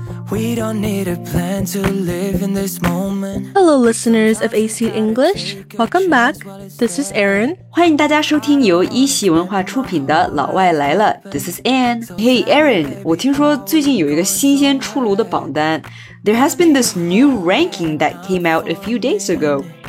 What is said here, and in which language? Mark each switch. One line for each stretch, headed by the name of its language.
English: We don't need a plan to live in this moment. Hello, listeners of AC English. Welcome back. This is Erin.
Chinese: 欢迎大家收听由一席文化出品的《老外来了》。
English: This is Anne. Hey, Erin.
Chinese: 我听说最近有一个新鲜出炉的榜单。
English: There has been this new ranking that came out a few days ago.